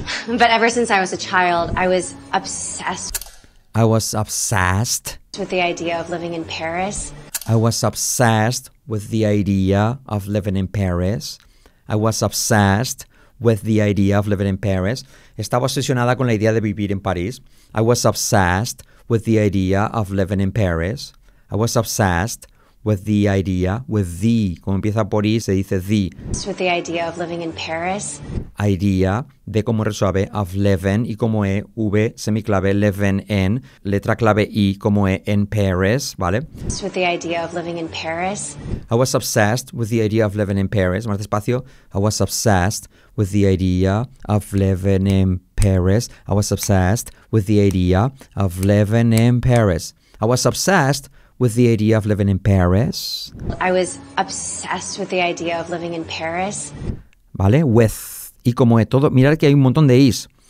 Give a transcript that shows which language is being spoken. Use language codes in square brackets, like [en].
[en] But ever since I was a child, I was obsessed. I was obsessed. With the idea of living in Paris. I was obsessed with the idea of living in Paris. I was obsessed. With the idea of living in Paris. [es] Estaba obsesionada con la idea de vivir en París. [en] I was obsessed with the idea of living in Paris. I was obsessed with the idea, with the. [es] Como empieza por I, se dice the. [en] With the idea of living in Paris. [es] Idea, de como resuave, [en] of living, [es] y como E, V, semiclave, [en] living in, [es] letra clave I, como E, [en] in Paris, [es] ¿vale? [en] With the idea of living in Paris. I was obsessed with the idea of living in Paris. [es] Más despacio. [en] I was obsessed with the idea of living in Paris. I was obsessed with the idea of living in Paris. I was obsessed with the idea of living in Paris. I was obsessed with the idea of living in Paris. [es] Vale, with. Y como es todo, mirad que hay un montón de is.